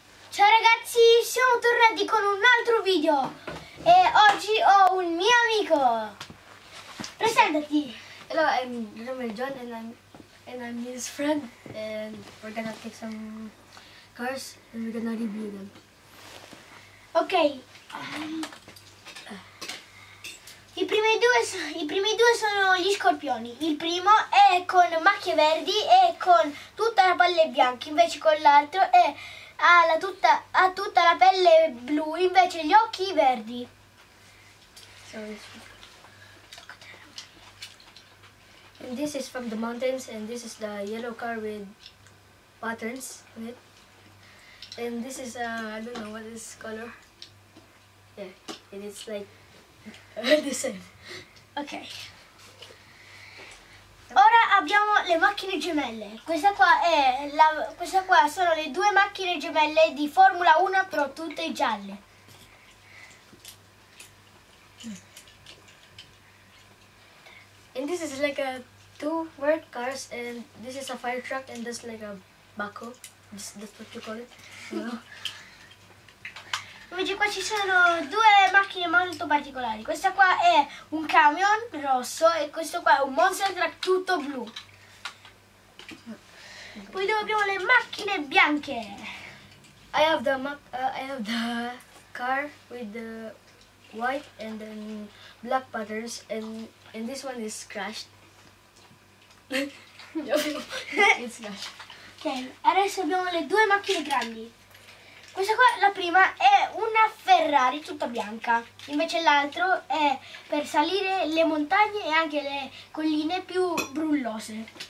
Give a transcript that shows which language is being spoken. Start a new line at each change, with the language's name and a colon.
Italian: Ciao ragazzi, siamo tornati con un altro video e oggi ho un mio amico. Presentati.
English: Hello, I'm Roman John and I'm his friend and we're gonna fix some cars and we're gonna review them. Okay.
Italian: I primi due sono gli scorpioni. Il primo è con macchie verdi e con tutta la pelle bianca, invece con l'altro è ha tutta la pelle blu, invece gli occhi verdi.
English: And this is from the mountains and this is the yellow car with buttons on it. And this is I don't know what this color. Yeah, and it's like the same. Ok.
Italian: Ora abbiamo le macchine gemelle. Questa qua sono le due macchine gemelle di Formula 1, però tutte gialle.
English: And this is like a two work cars and this is a fire truck and this is like a Baco. That's what you call it.
Italian: Invece qua ci sono due macchine molto particolari. Questa qua è un camion rosso e questo qua è un monster truck tutto blu. Poi dopo abbiamo le macchine bianche.
English: I have the car with the white and then black patterns and this one is crashed. It's crashed.
Italian: Ok, adesso abbiamo le due macchine grandi. Questa qua, la prima, è una Ferrari tutta bianca, invece l'altro è per salire le montagne e anche le colline più brullose.